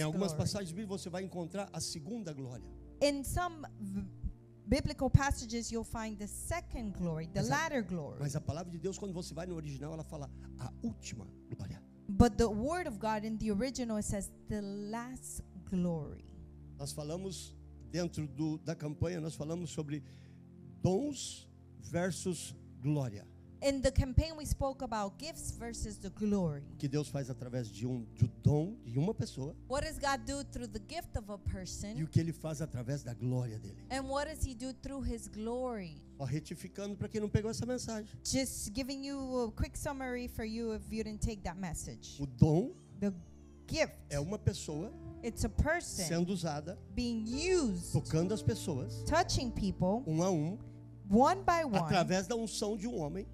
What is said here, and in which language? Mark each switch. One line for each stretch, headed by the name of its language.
Portuguese: Em algumas passagens bíblicas você vai encontrar a segunda glória.
English: In some biblical passages, you'll find the second glory, the latter glory.
Portuguese: Mas a palavra de Deus, quando você vai no original, ela fala a última glória.
English: But the word of God in the original, it says the last glory.
Portuguese: Nós falamos dentro da campanha, nós falamos sobre dons versus glória.
English: In the campaign, we spoke about gifts versus the glory.
Portuguese: O que Deus faz através de do dom de uma pessoa.
English: What does God do through the gift of a person?
Portuguese: E o que Ele faz através da glória dEle.
English: And what does He do through His glory?
Portuguese: Ó, retificando para quem não pegou essa mensagem.
English: Just giving you a quick summary for you if you didn't take that message.
Portuguese: O dom,
English: the gift,
Portuguese: é uma pessoa.
English: It's a person
Portuguese: sendo usada,
English: being used,
Portuguese: tocando as pessoas,
English: touching people,
Portuguese: um a um.
English: One by one,
Portuguese: através da unção de homem,